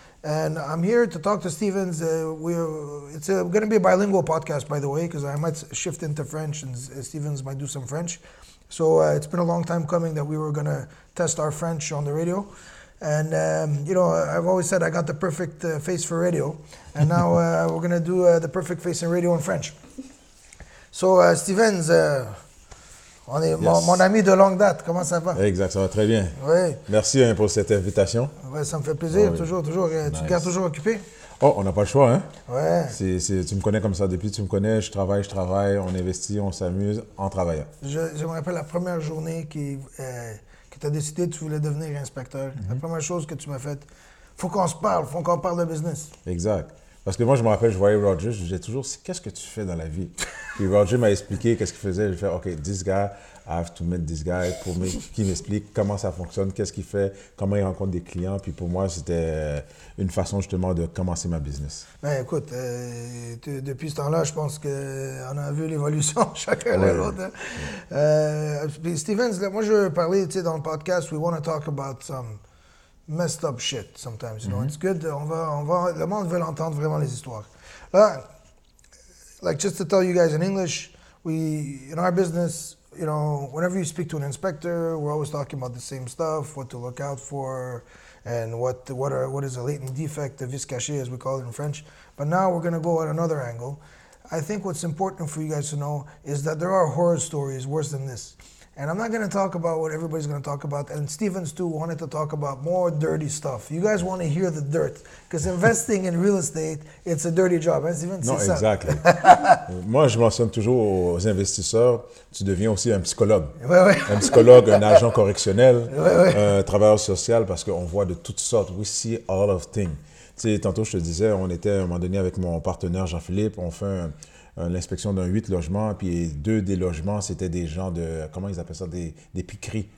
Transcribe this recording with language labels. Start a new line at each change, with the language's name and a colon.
English: And I'm here to talk to Stevens. It's going to be a bilingual podcast, by the way, because I might shift into French, and Stevens might do some French. So it's been a long time coming that we were going to test our French on the radio. And, you know, I've always said I got the perfect face for radio. And now we're going to do the perfect face in radio in French. So, Stevens,
French: on est,
English: yes.
French: mon ami de longue date, comment ça va? Exact, ça va très bien. Oui. Merci pour cette invitation. Ouais, ça me fait plaisir, oui. toujours. Nice. Tu te gardes toujours occupé? Oh, on n'a pas le choix, hein? Ouais. Tu me connais comme ça depuis, tu me connais, je travaille, on investit, on s'amuse en travaillant. Je me rappelle la première journée que tu as décidé que tu voulais devenir inspecteur. Mm-hmm. La première chose que tu m'as faite, faut qu'on parle de business. Exact. Parce que moi, je me rappelle, je voyais Roger, je disais toujours, qu'est-ce que tu fais dans la vie? Puis Roger m'a expliqué qu'est-ce qu'il faisait. Je fais,
English: OK, this guy, I have to meet this guy
French: pour me, qui m'explique comment ça fonctionne, qu'est-ce qu'il fait, comment il rencontre des clients. Puis pour moi, c'était une façon justement de commencer ma business. Ben écoute, depuis ce temps-là, je pense qu'on a vu l'évolution chacun l'un l'autre. Ouais. Puis Stevens, moi, je veux parler, tu sais, dans le podcast,
English: we want to talk about some messed up shit sometimes, you know. Mm-hmm. It's good.
French: On va, le monde veut entendre vraiment les histoires.
English: Là, like, just to tell you guys in English, we, in our business, you know, whenever you speak to an inspector, we're always talking about the same stuff, what to look out for, and what is a latent defect, a vis caché, as we call it in French. But now we're going to go at another angle. I think what's important for you guys to know is that there are horror stories worse than this. And I'm not going to talk about what everybody's going to talk about. And Stevens, too, wanted to talk about more dirty stuff. You guys want to hear the dirt. Because investing in real estate, it's a dirty job.
French: Hein, Stevens? Non, c'est exactly. Ça. Moi, je mentionne toujours aux investisseurs, tu deviens aussi un psychologue. Oui, oui. Un psychologue, un agent correctionnel, oui, oui. Un travailleur social, parce qu'on voit de toutes sortes.
English: We see all of things.
French: Tu sais, tantôt, je te disais, on était à un moment donné avec mon partenaire Jean-Philippe, on fait l'inspection d'un 8 logements, puis deux des logements, c'était des gens de, comment ils appellent ça, des piqueries,